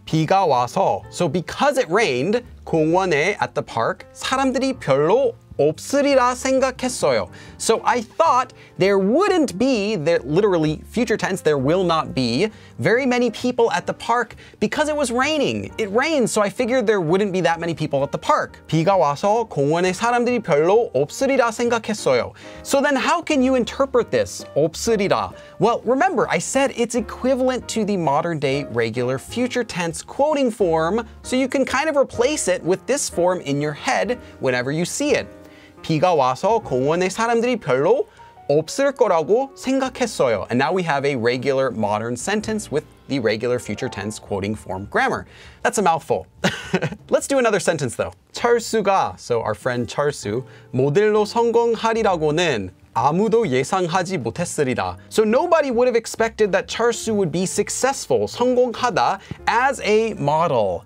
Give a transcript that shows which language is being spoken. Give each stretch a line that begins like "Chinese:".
Korean: 비가 와서,
English: so because it rained,
Korean: 공원에,
English: at the park,
Korean: 사람들이 별로 없으리라 생각했어요.
English: So I thought there wouldn't be, literally future tense, there will not be very many people at the park because it was raining. It rained, so I figured there wouldn't be that many people at the park.
Korean: 비가 와서 공원에 사람들이 별로 없으리라 생각했어요.
English: So then how can you interpret this, 없으리라? Well, remember, I said it's equivalent to the modern day regular future tense quoting form, so you can kind of replace it with this form in your head whenever you see it.
Korean: 비가 와서 공원에 사람들이 별로 없을 거라고 생각했어요.
English: And now we have a regular modern sentence with the regular future tense quoting form grammar. That's a mouthful. Let's do another sentence though. 철수가, so our friend 철수,
Korean: 모델로 성공하리라고는 아무도 예상하지 못했으리라.
English: So nobody would have expected that 철수 would be successful, 성공하다, as a model.